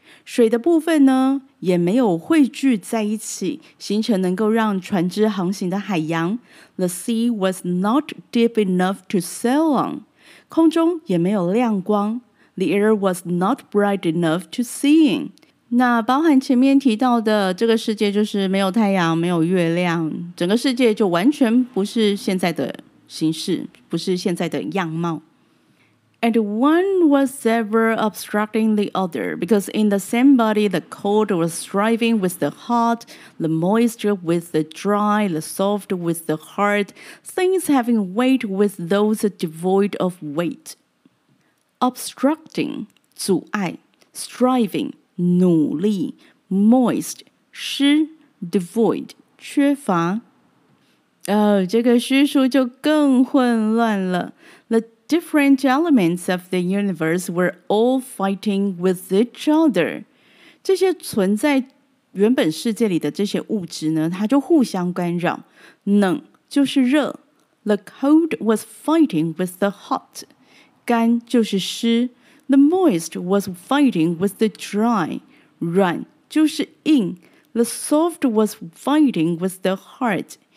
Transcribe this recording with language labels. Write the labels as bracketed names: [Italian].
[Chinese] 水的部分呢，也没有汇聚在一起，形成能够让船只航行的海洋。 [English] The sea was not deep enough to sail on. [Chinese] 空中也没有亮光。 [English] The air was not bright enough to see in. [Chinese] 那包含前面提到的这个世界就是没有太阳，没有月亮，整个世界就完全不是现在的形式不是现在的样貌 [English] And one was ever obstructing the other Because in the same body The cold was striving with the hot The moisture with the dry The soft with the hard Things having weight with those devoid of weight Obstructing 阻碍 Striving 努力 Moist 湿 Devoid 缺乏哦、oh, ， [Chinese] 这个叙述就更混乱了。 [English] The different elements of the universe were all fighting with each other. [Chinese] 这些存在原本世界里的这些物质呢，它就互相干扰。冷就是热 [English] ，The cold was fighting with the hot. [Chinese] 干就是湿 [English] ，The moist was fighting with the dry. [Chinese] 软就是硬 [English] ，The soft was fighting with the hard.